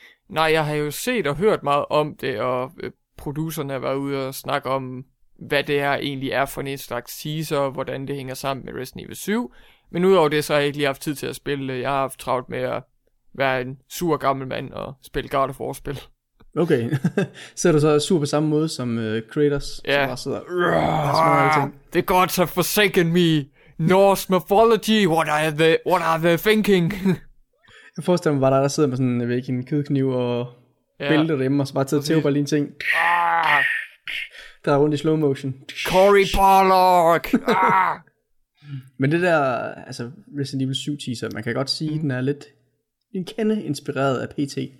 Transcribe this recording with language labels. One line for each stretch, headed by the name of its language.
Danish: Nej, jeg har jo set og hørt meget om det, og producerne har været ude og snakke om, hvad det her egentlig er for en slags teaser, og hvordan det hænger sammen med Resident Evil 7. Men udover det, så har jeg ikke lige haft tid til at spille. Jeg har haft travlt med at være en sur gammel mand og spille God of War-spil. Okay, så er du så sur på samme måde som Kratos, ja. Som bare sidder og...
English: The gods have forsaken me. Norse mythology, what are they thinking?
Danish: Jeg forestiller mig bare, der sidder med sådan en kødkniv og bælter dem, og så bare tager til bare lige en ting. Der er rundt i slow motion. Corey Pollock! Men det der, altså Resident Evil 7 teaser, man kan godt sige, den er lidt en kende inspireret af PT.